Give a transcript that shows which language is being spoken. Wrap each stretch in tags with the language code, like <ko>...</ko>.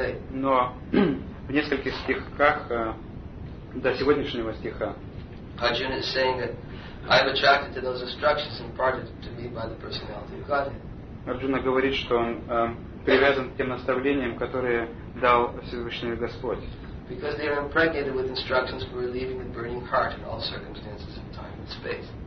<ru>Но в нескольких стихах до сегодняшнего стиха</ru> <en>Arjuna is saying that I am attracted to those instructions imparted to me by the personality of Godhead.</en> <ru>Arjuna говорит, что он привязан к тем наставлениям, которые дал Всевышний Господь.</ru> <en>Because they are impregnated with instructions for relieving the burning heart in all circumstances of time and space.</en>